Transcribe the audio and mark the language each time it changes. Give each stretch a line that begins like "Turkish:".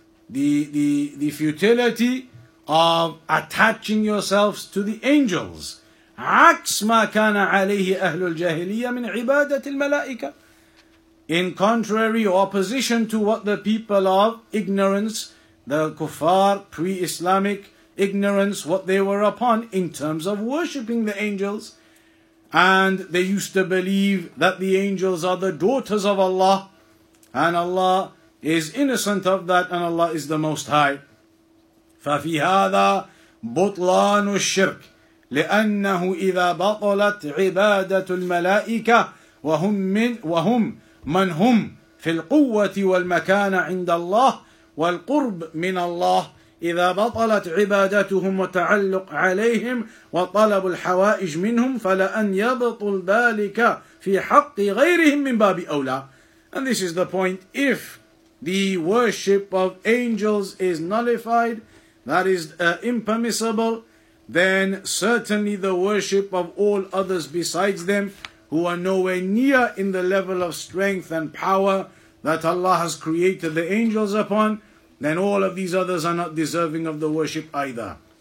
English: The futility of attaching yourselves to the angels.
Arabic: عكس ما كان عليه أهل الجاهلية من عبادة الملائكة.
English: In contrary or opposition to what the people of ignorance, the kuffar, pre-Islamic ignorance, what they were upon in terms of worshipping the angels. And they used to believe that the angels are the daughters of Allah. And Allah is innocent of that and Allah is the Most High.
Arabic: ففي هذا بطلان الشرك لأنه إذا بطلت عبادة الملائكة وهم من وهم من هم في القوة والمكانة عند الله والقرب من الله إذا بطلت عبادتهم وتعلق عليهم وطلب الحوائج منهم فلأن يبطل ذلك في حق غيرهم من باب أولى.
English: And this is the point. If the worship of angels is nullified, that is impermissible, then certainly the worship of all others besides them, who are nowhere near in the level of strength and power that Allah has created the angels upon, then all of these others are not deserving of the worship either.